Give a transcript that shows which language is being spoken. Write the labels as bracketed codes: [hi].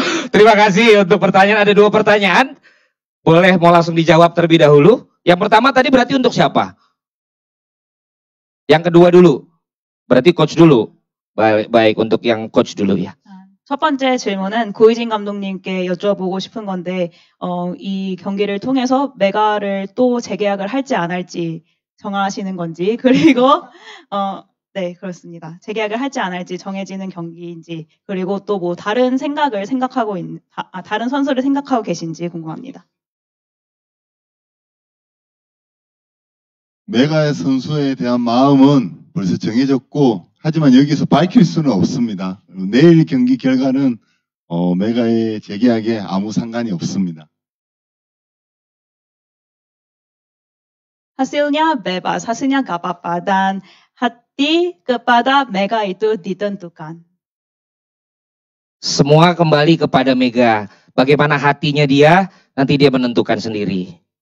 [id] Terima kasih untuk pertanyaan. Ada dua pertanyaan. Boleh mau langsung dijawab terlebih dahulu. Yang pertama tadi berarti untuk siapa? Yang kedua dulu. Berarti coach dulu. Baik, untuk yang coach dulu ya. [ko] 첫 번째 질문은 고희진 감독님께 여쭤보고 싶은 건데 이 경기를 통해서 메가를 또 재계약을 할지 안 할지 정하시는 건지 그리고 네 그렇습니다. 재계약을 할지 안 할지 정해지는 경기인지 그리고 또 뭐 다른 생각을 생각하고 다른 선수를 생각하고 계신지 궁금합니다. 메가의 선수에 대한 마음은 벌써 정해졌고 하지만 여기서 밝힐 수는 없습니다. 내일 경기 결과는 메가의 재계약에 아무 상관이 없습니다. [id] Hasilnya bebas, hasilnya gak apa-apa dan hati kepada Mega itu ditentukan. Semua kembali kepada Mega. Bagaimana hatinya dia, nanti dia menentukan sendiri.